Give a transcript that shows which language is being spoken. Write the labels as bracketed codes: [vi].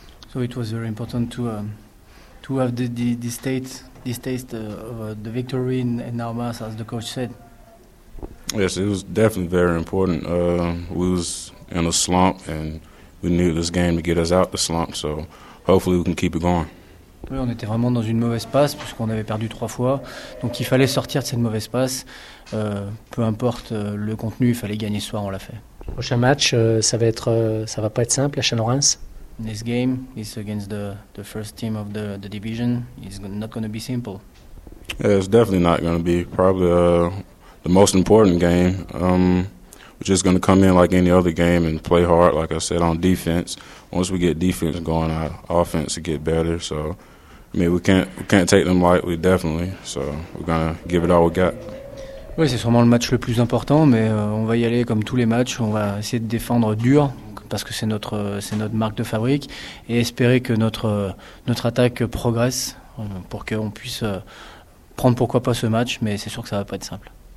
[en] So it was very important to have the victory in our mouth, as the coach said. Yes, it was definitely very important. We was in a slump and we knew this game to get us out the slump, so hopefully we can keep it going. [fr] Oui, on était vraiment dans une mauvaise passe puisqu'on avait perdu trois fois, donc il fallait sortir de cette mauvaise passe. Peu importe le contenu, il fallait gagner ce soir, on l'a fait. Prochain match, ça va pas être simple, la chaîne Reims. [en] This game is against the first team of the division. It's not going to be simple. Yeah, it's definitely not going to be. Probably the most important game. We're just going to come in like any other game and play hard, like I said, on defense. Once we get defense going, our offense will get better. So, I mean, we can't take them lightly, definitely. So, we're going to give it all we got. [fr] Oui, c'est sûrement le match le plus important, mais on va y aller comme tous les matchs. On va essayer de défendre dur, parce que c'est notre marque de fabrique, et espérer que notre attaque progresse pour qu'on puisse prendre pourquoi pas ce match, mais c'est sûr que ça va pas être simple.